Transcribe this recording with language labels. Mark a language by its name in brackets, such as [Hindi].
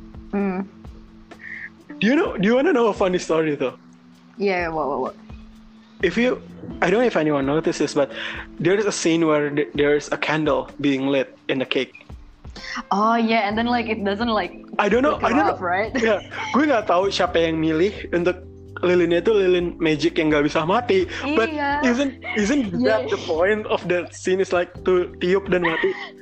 [English] Mm. Do you wanna know a funny story though? Yeah, what? I don't know if anyone noticed this, but there's a scene where there's a candle being lit in the cake. Oh yeah, and then like it doesn't like. I don't know. Right? Yeah, [Indonesian] gue nggak tahu siapa yang milih untuk lilinnya itu lilin magic yang nggak bisa mati. [English] But yeah. isn't that yeah. the point of that scene is like to [Indonesian] tiup dan mati?